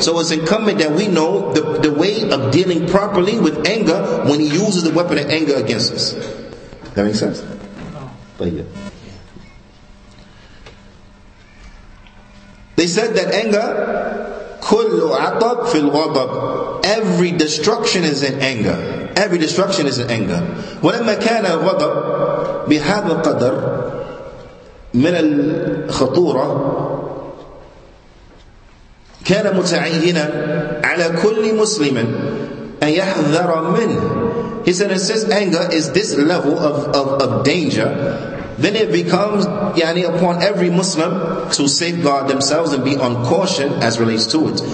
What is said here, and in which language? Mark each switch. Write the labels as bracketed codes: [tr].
[en] So it's incumbent that we know the way of dealing properly with anger when he uses the weapon of anger against us. That makes sense? But yeah. They said that anger, [ar] kullu atab fil ghadab, [en] every destruction is in anger. Every destruction is in anger. [ar] Walamma kana al-ghadab bihadha al-qadr من الخطورة كان متعينا على كل مسلم أن يحذر منه. [en] He said, and since anger is this level of danger, then it becomes upon every Muslim to safeguard themselves and be on caution as relates to it.